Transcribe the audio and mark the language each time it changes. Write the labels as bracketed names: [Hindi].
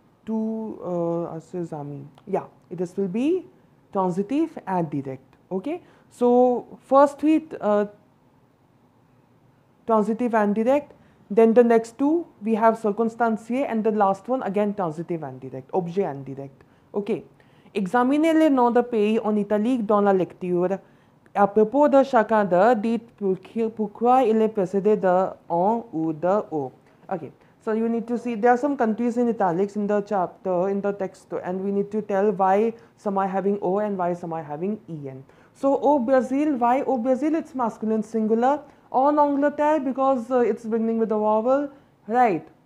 [English] Yeah, this will be transitive and direct. Okay, so first tweet, transitive and direct. Then the next two, we have circonstancier, and the last one, again, transitive and direct, objet and direct. Okay, [French] examinez les noms de pays en italique dans la lecture. À propos de chacun de, dites pourquoi il est précédé de en ou de au. [English] Okay. So you need to see, there are some countries in italics in the chapter, in the text, and we need to tell why some are having O and why some are having EN. So, [French] au Brazil, [English] why au Brazil? It's masculine singular. [French] En Angleterre, [English] because it's beginning with a vowel, right?